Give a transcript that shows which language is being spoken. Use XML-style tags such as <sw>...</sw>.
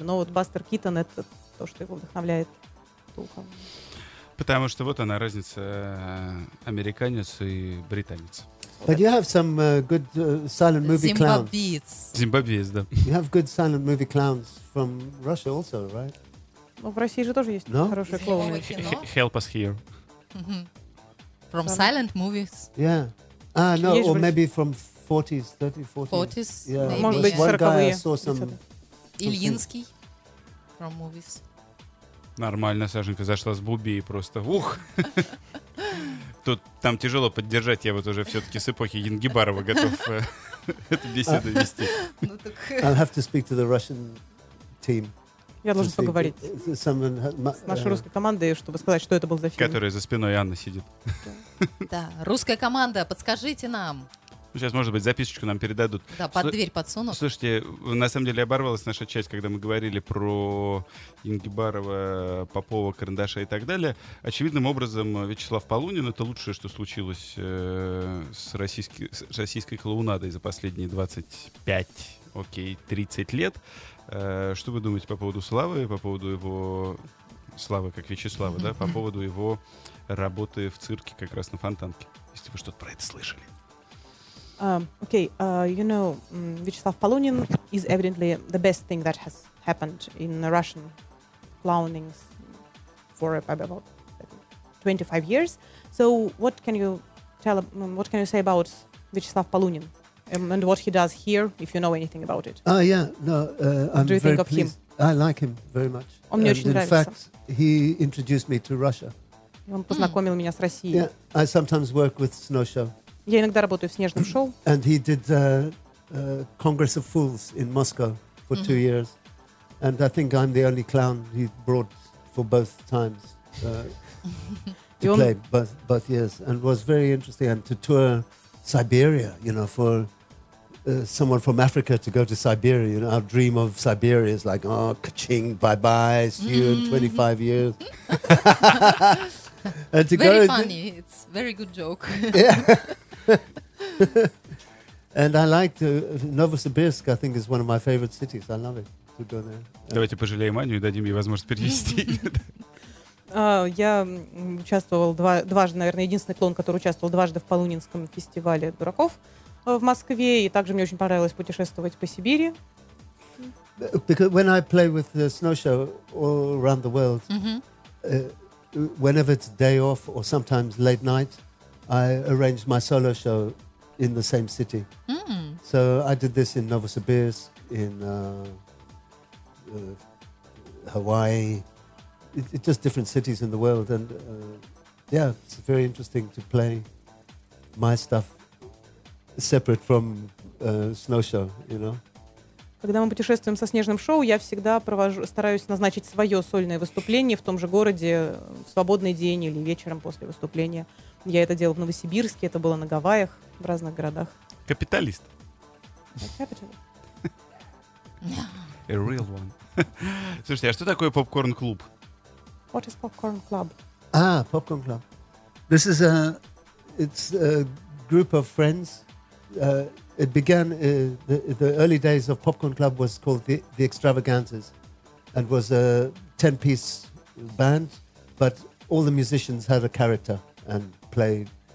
<ru>Но вот Бастер Китон — это то, что его вдохновляет. Потому что вот она разница американец и британец.</ru> <en>But you have some good silent movie</en> <ru>Zimbabwe-ц. Zimbabwe-ц, да.</ru> <en>You have good silent movie clowns from Russia also, right?</en> <ru>Ну, в России же тоже есть хорошие клоуны.</ru> <en>Help us here. From silent movies. Yeah. Ah, no,</en> <ru>есть</ru> <en>or maybe from 40s, 30s, 40s. 40s, yeah.</en> <ru>Может быть, 40-е.</ru> <en>Yeah. Ильинский from movies.</en> <ru>Нормально, Сашенька, зашла с Буби и просто ух. Тут там тяжело поддержать, я вот уже все-таки с эпохи Янгибарова готов эту беседу вести.</ru> <en>I'll have to speak to the Russian team.</en> <ru>Я должен поговорить с нашей русской командой, чтобы сказать, что это был за фильм. Которая за спиной Анны сидит. Да, русская команда, подскажите нам. Сейчас, может быть, записочку нам передадут. Да, под дверь подсунут. Слушайте, на самом деле оборвалась наша часть, когда мы говорили про Янгибарова, Попова, Карандаша и так далее. Очевидным образом, Вячеслав Полунин — это лучшее, что случилось с российской клоунадой за последние 25, окей, 30 лет. Что вы думаете по поводу Славы, по поводу его Славы, как Вячеслава, да, по поводу его работы в цирке как раз на Фонтанке, если вы что-то про это слышали?</ru> <en>Okay, you know, Vyacheslav Polunin is evidently the best thing that has happened in Russian clowning for about 25 years. So what can you tell, what can you say about Vyacheslav Polunin? And what he does here, if you know anything about it. Oh, yeah. No, I'm do you think of pleased. Him? I like him very much.</en> <ru>Он мне очень нравится.</ru> <en>In fact, he introduced me to Russia.</en> <ru>Он познакомил меня с Россией.</ru> <en>Yeah, I sometimes work with Snow Show.</en> <ru>Я иногда работаю в Снежном шоу.</ru> <en>And he did Congress of Fools in Moscow for 2 years. And I think I'm the only clown he brought for both times to play both years. And it was very interesting. And to tour Siberia, you know, for someone from Africa to go to Siberia. You know, our dream of Siberia is like, oh, ka-ching, bye-bye, see you in 25 years. And to very go funny. It's a very good joke. And I like to, Novosibirsk, I think, is one of my favorite cities. I love it to go there.</en> <ru>Давайте пожалеем Аню и дадим ей возможность перевести. Я участвовал дважды, наверное, единственный клоун, который участвовал дважды в Полунинском фестивале дураков в Москве. И также мне очень понравилось путешествовать по Сибири.</ru> <en>Because when I play with the snow show all around the world, whenever it's day off or sometimes late night, I arrange my solo show in the same city. So I did this in Novosibirsk, in Hawaii. It's just different cities in the world, and yeah, it's very interesting to play my stuff separate from snow show, you know.</en> <ru>Когда мы путешествуем со снежным шоу, я всегда провожу, стараюсь назначить свое сольное выступление в том же городе в свободный день или вечером после выступления. Я это делал в Новосибирске, это было на Гавайях, в разных городах. Капиталист.</ru> <en>Capital. A real one.</en> <ru>Слушайте, а что такое попкорн-клуб?</ru> <en>What is Popcorn Club? Ah, Popcorn Club. This is a, it's a group of friends. It began, the early days of Popcorn Club was called the Extravaganzas, and was a 10-piece band, but all the musicians had a character and played.</en>